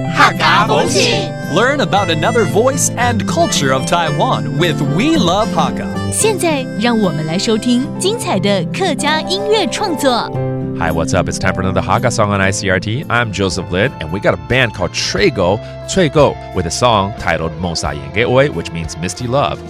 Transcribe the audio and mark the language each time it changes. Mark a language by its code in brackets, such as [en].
[en] Learn about another voice and culture of Taiwan with We Love Hakka. [zh] 现在让我们来收听精彩的客家音乐创作。 [en] Hi, what's up? It's time for another Hakka song on ICRT. I'm Joseph Lin, and we got a band called TRAEGO, with a song titled 濛沙煙个愛, which means Misty Love.